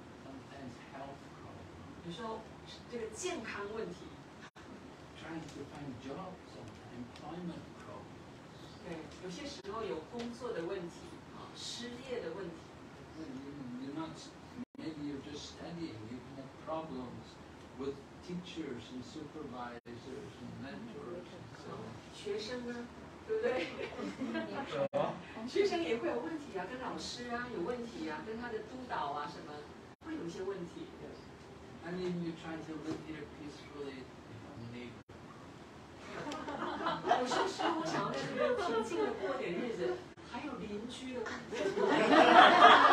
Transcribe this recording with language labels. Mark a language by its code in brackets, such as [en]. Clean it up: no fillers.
[en] Sometimes health problems. [zh] 有时候这个健康问题。 [en] Trying to find jobs or employment problems. [zh] 对，有些时候有工作的问题，失业的问题。 [en] You're not, maybe you're just studying. You have problems. With teachers and supervisors and mentors and so on. [zh] 学生呢，对不对？学生也会有问题啊，跟老师啊有问题啊，跟他的督导啊什么会有一些问题。 [en] Yes. And then you try to live here peacefully in the neighborhood. [zh] 我说是我想要在这边平静的过点日子，还有邻居的问题。